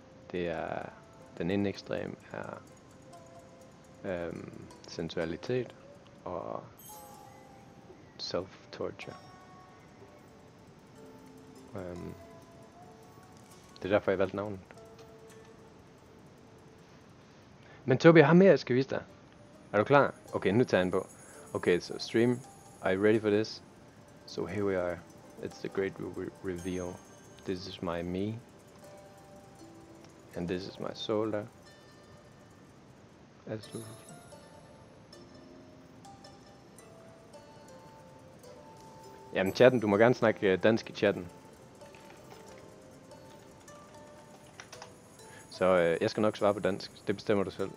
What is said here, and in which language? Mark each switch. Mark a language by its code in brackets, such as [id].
[da] Det er, den ene ekstrem er sensualitet og self-torture. Det er derfor, jeg valgte navnet. Men Toby, jeg har mere, jeg skal vise dig. Er du klar? Okay, nu tager jeg den på. [en] Okay, so stream, are you ready for this? So here we are. It's the great reveal. This is my me, and this is my soul. [da] As to jamen chatten, du må gerne snakke dansk i chatten. Så jeg skal nok svare på dansk, det bestemmer du selv.